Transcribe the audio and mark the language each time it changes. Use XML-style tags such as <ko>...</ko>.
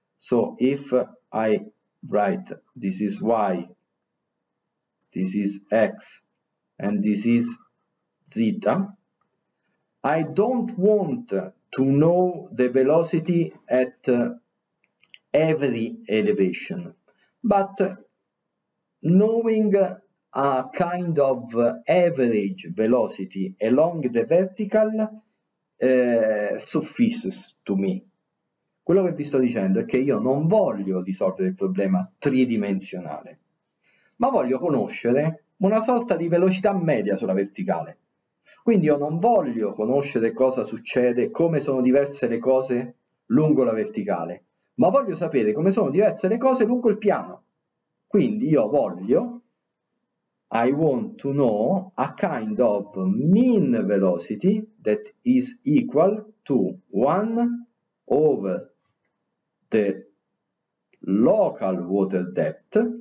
<en>So if I write this is y, this is x, and this is zeta, I don't want to know the velocity at every elevation, but knowing a kind of average velocity along the vertical suffices to me.</en> <it>Quello che vi sto dicendo è che io non voglio risolvere il problema tridimensionale, ma voglio conoscere una sorta di velocità media sulla verticale. Quindi io non voglio conoscere cosa succede, come sono diverse le cose lungo la verticale, ma voglio sapere come sono diverse le cose lungo il piano. Quindi io voglio,</it> <en>I want to know a kind of mean velocity that is equal to 1 over the local water depth</en>